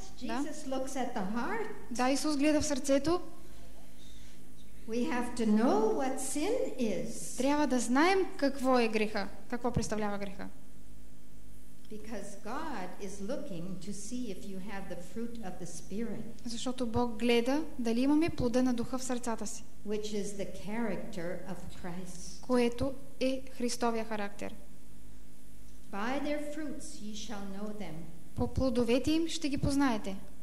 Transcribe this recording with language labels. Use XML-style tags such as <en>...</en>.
<en>Jesus looks at the heart.</en> <bg>Да, Исус гледа в сърцето.</bg> <en>We have to know what sin is.</en> <bg>Трябва да знаем какво е греха, какво представлява греха.</bg> <en>Because God is looking to see if you have the fruit of the Spirit.</en> <bg>Защото Бог гледа дали имаме плода на духа в сърцата си.</bg> <en>Which is the character of Christ.</en> <bg>Което е Христовия характер.</bg> <en>By their fruits ye shall know them.</en> <bg>По плодовете им ще ги познаете.</bg>